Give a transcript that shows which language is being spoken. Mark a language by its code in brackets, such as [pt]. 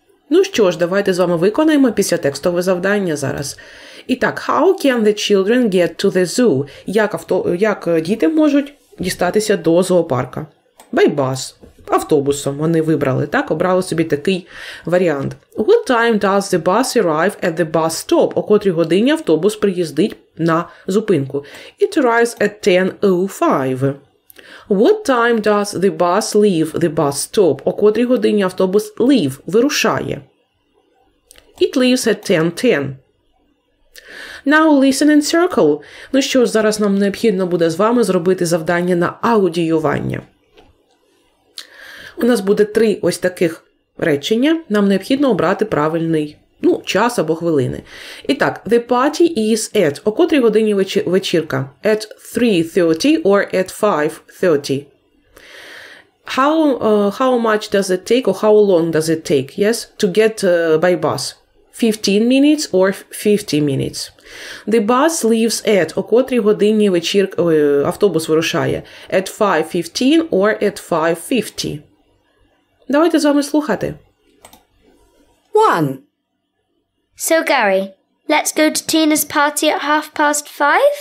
[uk] Ну що ж, давайте з вами виконаємо післятекстове завдання зараз. І так, [en] how can the children get to the zoo? [uk] Як діти можуть дістатися до зоопарка? [en] By bus. [uk] Автобусом вони вибрали, так? Обрали собі такий варіант. [en] What time does the bus arrive at the bus stop? [uk] О котрій годині автобус приїздить на зупинку? [en] It arrives at 10:05. What time does the bus leave the bus stop? [uk] О котрій годині автобус leave, вирушає? [en] It leaves at 10:10. Now listen and circle. [uk] Ну що ж, зараз нам необхідно буде з вами зробити завдання на аудіювання. У нас буде три ось таких речення. Нам необхідно обрати правильний, ну, час або хвилини. І так, [en] the party is at. [uk] О котрій годині вечірка? [en] At 3:30 or at 5:30. How much does it take or how long does it take, yes, to get by bus? 15 minutes or 50 minutes. The bus leaves at. [uk] О котрій годині вечірка автобус вирушає? [en] At 5:15 or at 5:50. [uk] Давайте з вами слухати. 1. [en] So, Gary, let's go to Tina's party at 5:30?